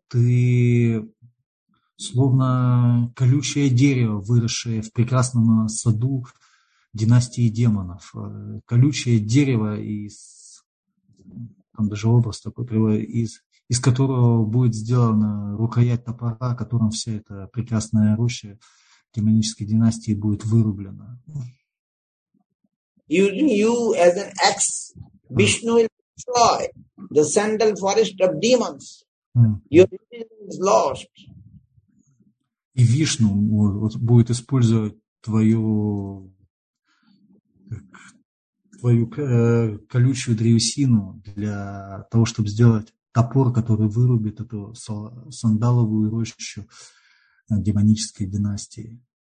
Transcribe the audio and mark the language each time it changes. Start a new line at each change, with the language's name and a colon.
Russian: Ты словно колючее дерево, выросшее в прекрасном саду династии демонов. Колючее дерево из... Там даже образ такой приводит из которого будет сделана рукоять топора, которым все это прекрасное оружие демонической династии будет вырублено.
English: Using you as an axe, Vishnu will destroy the sandal forest of demons. Your religion is lost.
Russian: И Вишну будет использовать твою колючую древесину для того, чтобы сделать топор, который вырубит эту сандаловую рощу демонической династии.